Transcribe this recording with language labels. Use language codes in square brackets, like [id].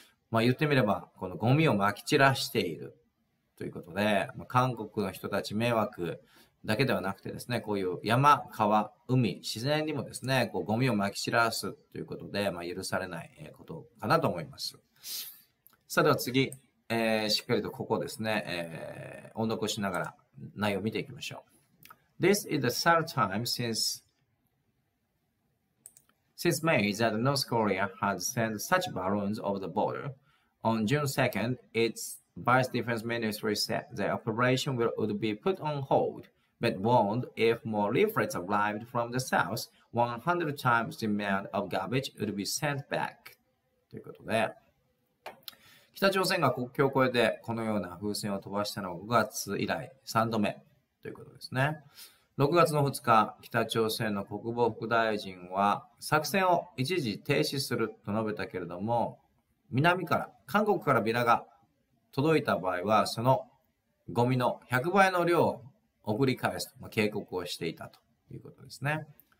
[ja] 言ってみれば、このゴミを撒き散らしているということで、韓国の人たち迷惑だけではなくてですね、こういう山、川、海、自然にもですね、こうゴミを撒き散らすということで、許されないことかなと思います。さあでは次、しっかりとここですね、音読しながら、内容を見ていきましょう。 [en] This is the third time since May that North Korea has sent such balloons over the border. On June 2nd, its Vice Defense Ministry said the operation would be put on hold, but warned if more leaflets arrived from the south, 100 times the amount of garbage would be sent back. [ja] ということで、北朝鮮が国境を越えてこのような風船を飛ばしたのは5月以来3度目ということですね。 6月の2日、北朝鮮の国防副大臣は作戦を一時停止すると述べたけれども、南から、韓国からビラが届いた場合は、そのゴミの100倍の量を送り返すと警告をしていたということですね。